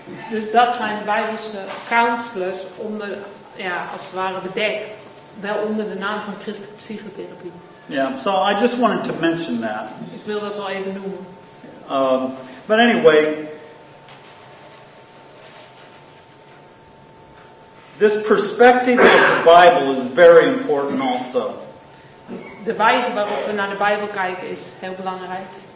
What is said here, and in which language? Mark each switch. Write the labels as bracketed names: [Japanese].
[Dutch] Dus dat zijn Bijbelse counselors als het ware bedekt, wel onder de naam van christelijke psychotherapie. [English] Yeah, so I just wanted to mention that. [Dutch] Ik wil dat wel even noemen. [English] But anyway, this perspective of the Bible is very important also. [Dutch] De wijze waarop we naar de Bijbel kijken is heel belangrijk.